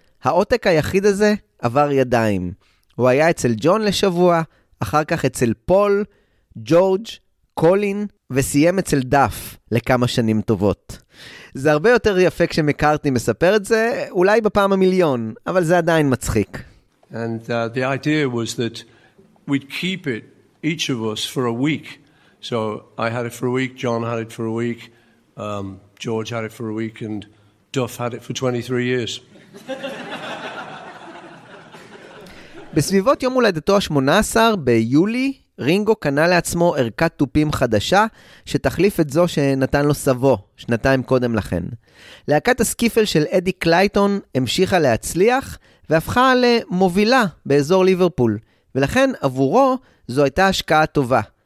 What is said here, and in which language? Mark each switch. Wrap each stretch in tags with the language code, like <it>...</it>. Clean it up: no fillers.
<he>העותק היחיד הזה עבר ידיים. הוא היה אצל ג'ון לשבוע, אחר כך אצל פול, ג'ורג', קולין, וסיים אצל דף לכמה שנים טובות. זה הרבה יותר יפה כשמקארטני מספר את זה, אולי בפעם המיליון, אבל זה עדיין מצחיק.</he> <en>And the idea was that we'd keep it, each of us, for a week. So I had it for a week, John had it for a week, George had it for a week, and Duff had it for 23 years.</en> <he>בסביבות יום הולדתו ה-18 ביולי, רינגו קנה לעצמו ערכת טופים חדשה שתחליף את זו שנתן לו סבו שנתיים קודם לכן. להקת הסקיפל של אדי קלייטון המשיכה להצליח והפכה למובילה באזור ליברפול, ולכן עבורו זו הייתה השקעה טובה.</he>